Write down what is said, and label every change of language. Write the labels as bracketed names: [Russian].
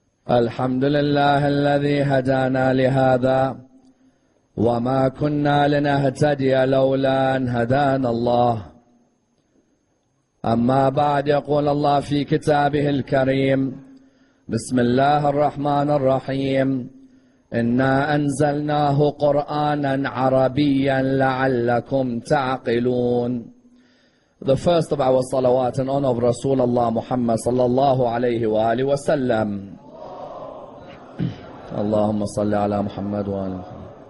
[Arabic] الحمد لله الذي هدانا لهذا وما كنا لنهتدي لولا أن هدانا الله. أما بعد، يقول الله في كتابه الكريم، بسم الله الرحمن الرحيم: إنا أنزلناه قرآنا عربيا لعلكم تعقلون. [English] The first of our salawat in honor of Rasulullah Muhammad [Arabic] صلى الله عليه وآله وسلم. اللهم صل على محمد وآل محمد.